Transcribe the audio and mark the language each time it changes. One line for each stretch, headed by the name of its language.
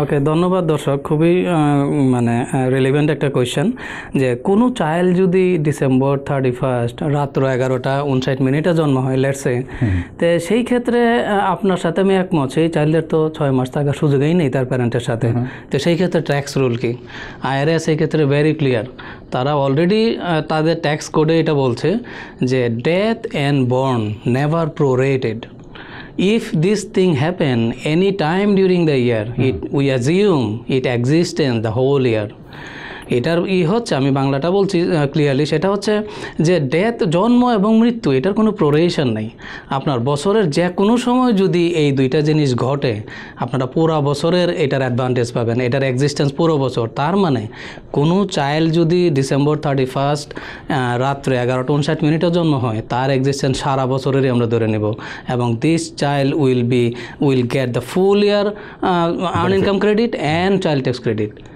Bangla: ধন্যবাদ দর্শক, খুবই মানে রিলেভেন্ট একটা কোয়েশ্চেন যে কোন চাইল্ড যদি ডিসেম্বর 31st রাত্র 11:59 জন্ম হয় লেটসে, তো সেই ক্ষেত্রে আপনার সাথে আমি একমত, সেই চাইল্ডের তো ছয় মাস থাকার সুযোগই নেই তার প্যারেন্টের সাথে, তো সেই ক্ষেত্রে ট্যাক্স রুল কি? IRS এই ক্ষেত্রে ভেরি ক্লিয়ার, তারা অলরেডি তাদের ট্যাক্স কোডে এটা বলছে যে
English: Death and born never prorated. if this thing happen any time during the year, it, we assume it existence the whole year.
Bangla: এটার ই হচ্ছে, আমি বাংলাটা বলছি ক্লিয়ারলি, সেটা হচ্ছে যে ডেথ, জন্ম এবং মৃত্যু, এটার কোনো প্রোরেশন নাই। আপনার বছরের যে কোনো সময় যদি এই দুইটা জিনিস ঘটে, আপনারা পুরো বছরের এটার অ্যাডভান্টেজ পাবেন, এটার এক্সিস্টেন্স পুরো বছর। তার মানে কোনো চাইল্ড যদি December 31st রাত্রে 11:59 জন্ম হয়, তার এক্সিস্টেন্স সারা বছরেরই আমরা ধরে নেব, এবং
English: This child will get the full year earn income credit and child tax credit.